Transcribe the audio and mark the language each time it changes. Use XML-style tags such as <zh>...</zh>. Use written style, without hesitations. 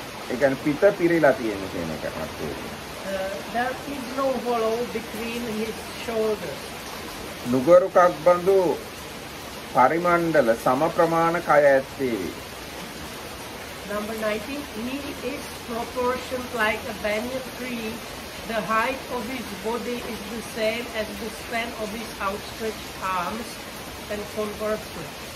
<si>ඒ කියන්නේ පිත පිරීලා තියෙන කියන එක අර්ථය.</si> <en>There is no hollow between his shoulders.</en> <si>නුගරුකක් බඳු පරිමණ්ඩල සම ප්‍රමාණ කය ඇත්තේ වේ.</si> <en>Number 19, he is proportioned like a banyan tree. The height of his body is the same as the span of his outstretched arms and conversely.</en>